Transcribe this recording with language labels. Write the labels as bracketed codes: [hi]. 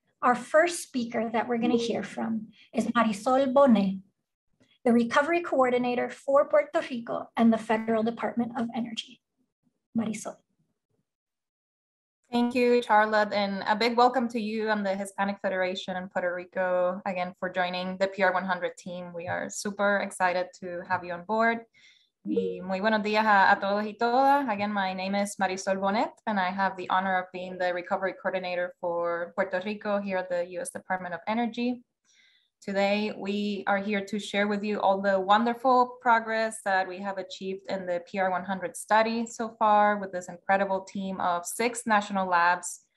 [en] Our first speaker that we're going to hear from is Marisol Bonet, the Recovery Coordinator for Puerto Rico and the Federal Department of Energy. Marisol. Thank you, Charlotte, and a big welcome to you and the Hispanic Federation in Puerto Rico again for joining the PR100 team. We are super excited to have you on board. [es] Y muy buenos días a todos y todas. [en] Again, my name is Marisol Bonet, and I have the honor of being the Recovery Coordinator for Puerto Rico here at the U.S. Department of Energy. Today, we are here to share with you all the wonderful progress that we have achieved in the PR100 study so far with this incredible team of six national labs.